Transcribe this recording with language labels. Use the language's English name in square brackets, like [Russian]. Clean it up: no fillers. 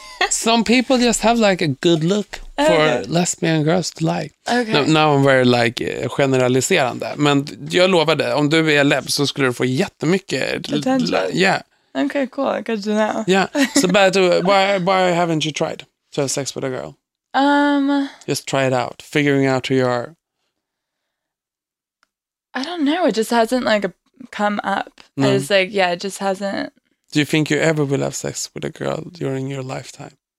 [English] Some people just have like a good look for lesbian girls to like. Okay. Now I'm very like [Swedish] generaliserande, men jag lovar det, om du är leb så skulle du få jättemycket [English] attention. Okay, cool. Good to know. Yeah. So but why haven't you tried to have sex with a girl? Just try it out, figuring out who you are. I don't know. It just hasn't like come up. No. It's like, it just hasn't. Do you think you ever will have sex with a girl during your lifetime?